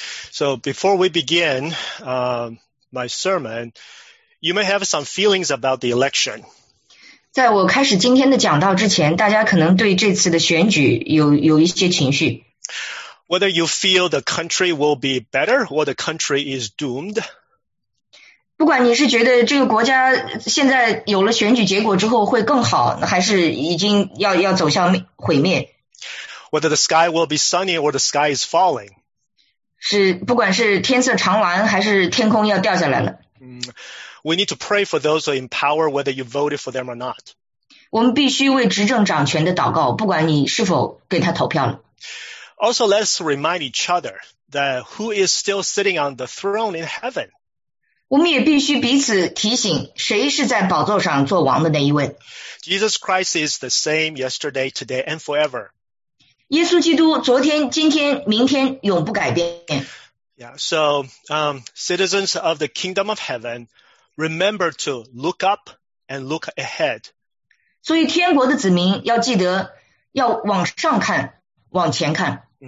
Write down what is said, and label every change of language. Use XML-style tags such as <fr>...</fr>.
<en>So before we begin my sermon, you may have some feelings about the election.</en> <zh>在我开始今天的讲道之前，大家可能对这次的选举有一些情绪。</zh> <en>Whether you feel the country will be better or the country is doomed.</en> <zh>不管你是觉得这个国家现在有了选举结果之后会更好，还是已经要走向毁灭。</zh> <en>Whether the sky will be sunny or the sky is falling.</en> <zh>是不管是天色长蓝还是天空要掉下来了。</zh> <en>We need to pray for those who are in power, whether you voted for them or not.</en> <zh>我们必须为执政掌权的祷告，不管你是否给他投票了。</zh> <en>Also, let's remind each other that who is still sitting on the throne in heaven.</en> <zh>我们也必须彼此提醒，谁是在宝座上做王的那一位。</zh> <en>Jesus Christ is the same yesterday, today, and forever.</en> <zh>耶稣基督昨天、今天、明天永不改变。</zh> <en>Yeah, so, citizens of the kingdom of heaven, remember to look up and look ahead.</en> <zh>所以天国的子民要记得要往上看，往前看。</zh>